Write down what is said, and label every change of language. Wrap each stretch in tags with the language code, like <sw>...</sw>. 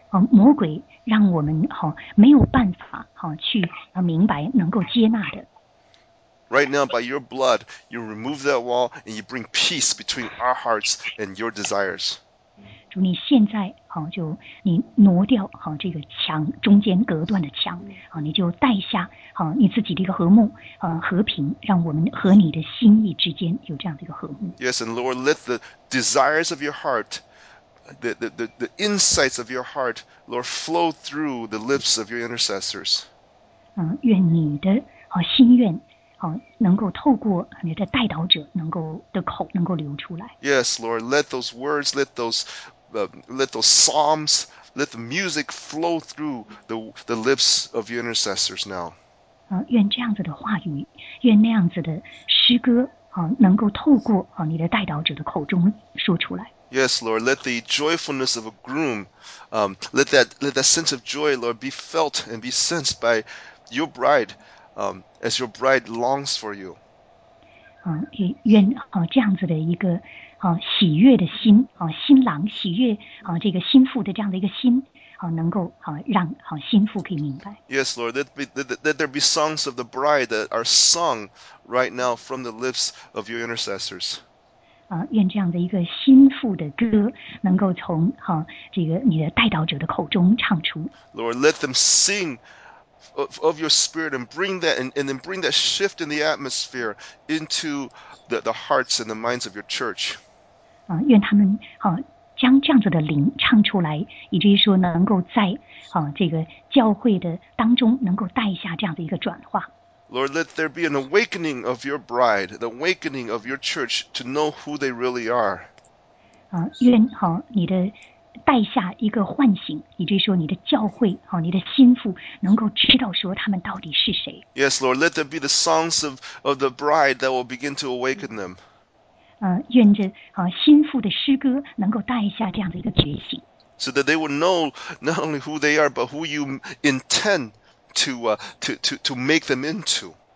<zh>魔鬼让我们没有办法去明白能够接纳的。</zh> <en>Right now, by your blood, you remove that wall and you bring peace between our hearts and your desires.</en> <zh>主，你现在就你挪掉这个墙中间隔断的墙你就带下你自己的一个和睦和平，让我们和你的心意之间有这样的一个和睦。</zh> <en>Yes, and Lord, let the desires of your heart, the insights of your heart, Lord, flow through the lips of your intercessors.</en> <zh>愿你的心愿能够透过你的代祷者能够的口能够流出来。</zh> <en>Yes, Lord, let those words, let those psalms, let the music flow through the lips of your intercessors now.</en> <zh>愿这样子的话语，愿那样子的诗歌能够透过你的代祷者的口中说出来。</zh> <en>Yes, Lord, let the joyfulness of a groom, let that sense of joy, Lord, be felt and be sensed by your bride, as your bride longs for you.</en> <zh>愿这样子的一个喜悦的心新郎喜悦这个心腹的这样的一个心能够让心腹可以明白。</zh> <en>Yes, Lord, let there be songs of the bride that are sung right now from the lips of your intercessors.</en> <zh>愿这样的一个心腹的歌能够从这个你的代祷者的口中唱出。</zh> <en>Lord, let them sing of your spirit and bring that and then bring that shift in the atmosphere into the hearts and the minds of your church.</en> <zh>愿他们将这样子的灵唱出来，以至于说能够在这个教会的当中能够带下这样的一个转化。</zh> <en>Lord, let there be an awakening of your bride, the awakening of your church to know who they really are.</en> <zh>愿你的带下一个唤醒，以至于说你的教会，你的心腹能够知道说他们到底是谁。</zh> <en>Yes, Lord, let there be the songs of the bride that will begin to awaken them.</en> <zh>愿着心腹的诗歌能够带下这样的一个觉醒。</zh> <en>So that they will know not only who they are, but who you intend to make them into.</en>